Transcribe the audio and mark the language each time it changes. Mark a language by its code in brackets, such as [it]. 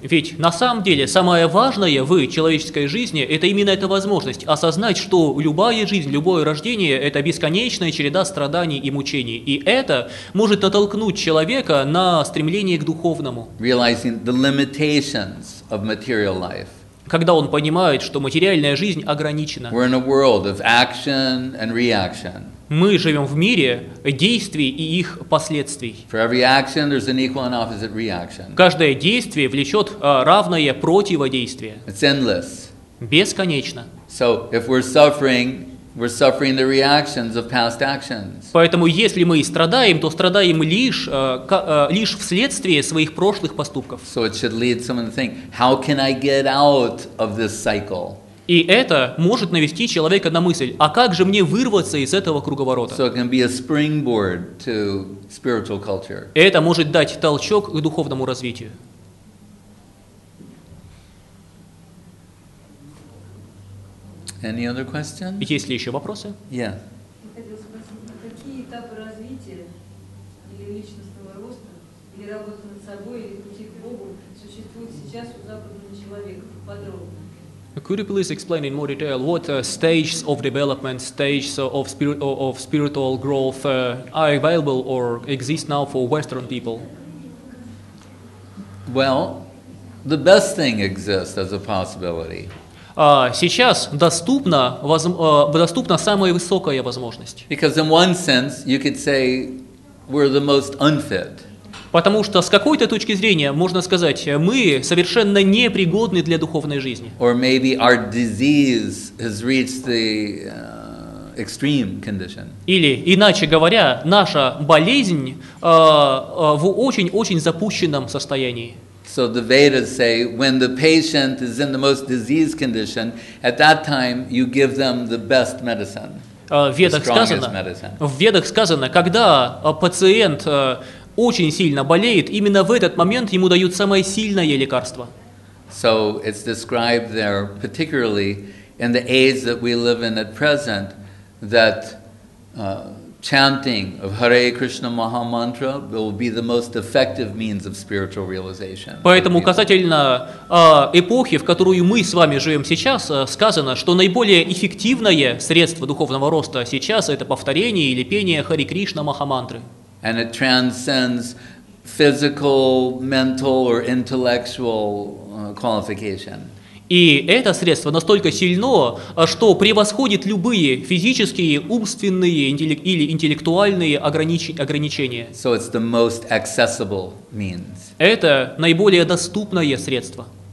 [ru] Ведь на самом деле самое важное в человеческой жизни – это именно эта возможность осознать, что любая жизнь, любое рождение – это бесконечная череда страданий и мучений. И это может натолкнуть человека на стремление к духовному. [en] Realizing the limitations of material life. [ru] Когда он понимает, что материальная жизнь ограничена. [en] We're in a world of action and reaction. [ru] Мы живем в мире действий и их последствий. [en] For every action, there's an equal and opposite reaction. [ru] Каждое действие влечет равное противодействие. [en] It's endless. [ru] Бесконечно. [en] So if we're suffering, we're suffering the reactions of past actions. [ru] Поэтому если мы страдаем, то страдаем лишь вследствие своих прошлых поступков. [en] So it should lead someone to think, how can I get out of this cycle? [ru] И это может навести человека на мысль, а как же мне вырваться из этого круговорота? [en] So it can be a springboard to spiritual culture. [ru] Это может дать толчок к духовному развитию. [en] Any other question? [ru] Есть ли еще вопросы? [en] Yeah. [ru] Я хотел спросить, какие этапы развития или личностного роста, или работы над собой, или пути к Богу существуют сейчас у западного человека подробно? [en] Could you please explain in more detail what stages of development, stages of spiritual growth are available or exist now for Western people? Well, the best thing exists as a possibility. [ru] Сейчас доступна самая высокая возможность. [en] Because in one sense, you could say we're the most unfit. [ru] Потому что с какой-то точки зрения, можно сказать, мы совершенно непригодны для духовной жизни. [en] Or maybe our disease has reached the extreme condition. [ru] Или, иначе говоря, наша болезнь в очень-очень запущенном состоянии. [en] So the Vedas say, when the patient is in the most diseased condition, at that time you give them the best medicine. [ru] Ведах сказано, в Ведах сказано, когда пациент очень сильно болеет, именно в этот момент ему дают самое сильное лекарство. [en] So it's described there, particularly in the age that we live in at present, that chanting of Hare Krishna Maha Mantra will be the most effective means of spiritual realization. [ru] Поэтому касательно эпохи, в которую мы с вами живем сейчас, сказано, что наиболее эффективное средство духовного роста сейчас – это повторение или пение Hare Krishna Maha Mantra. [en] And it transcends physical, mental, or intellectual qualification. [ru] И это средство настолько сильно, что превосходит любые физические, умственные или интеллектуальные ограничения. [en] So it's the most accessible means. [ru] Это наиболее доступное средство.